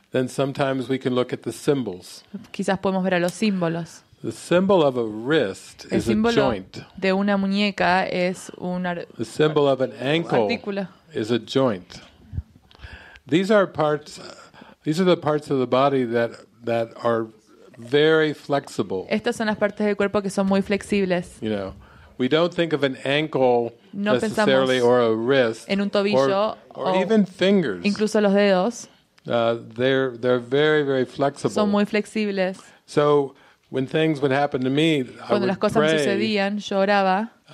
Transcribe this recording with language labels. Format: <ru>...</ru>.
<en>Then sometimes we can look at the symbols.</en> <es>Quizás podemos ver a los símbolos.</es> <en>The symbol of a wrist is a joint.</en> <es>El símbolo de una muñeca es un artículo.</es> <en>The symbol of an ankle is a joint. These are the parts of the body that are very flexible.</en> <es>Estas son las partes del cuerpo que son muy flexibles.</es> <en>You know, we don't think of an ankle</en> <es>no</es> <en>necessarily or a wrist</en> <es>en un tobillo</es> <en>or even fingers.</en> <es>Incluso los dedos.</es> <en>They're very very flexible.</en> <es>Son muy flexibles.</es> <en>So when things would happen to me,</en> <es>cuando</es> <en>I</en> <es>las cosas</es> <en>pray,</en> <es>sucedían, yo oraba.</es>